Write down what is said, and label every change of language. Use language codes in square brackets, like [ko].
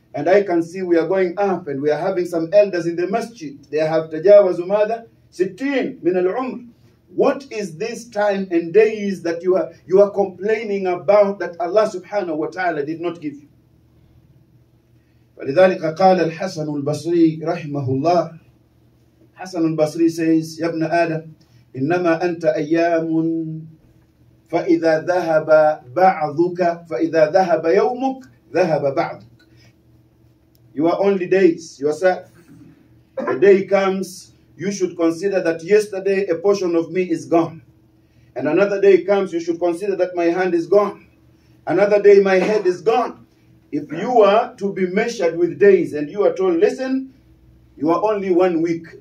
[en] And I can see we are going up and we are having some elders in the masjid. They have [ar] تجاوز ماذا 60 من العمر. [en] What is this time and days that you are complaining about that Allah subhanahu wa ta'ala did not give you? [ar] فلذلك قال الحسن البصري رحمه الله حسن البصري says يا ابن آدم إنما أنت أيام فإذا ذهب بعضك فإذا ذهب يومك ذهب بعضك. [en] You are only days yourself. The day comes, you should consider that yesterday a portion of me is gone. And another day comes, you should consider that my hand is gone. Another day my head is gone. If you are to be measured with days and you are told, listen, you are only 1 week.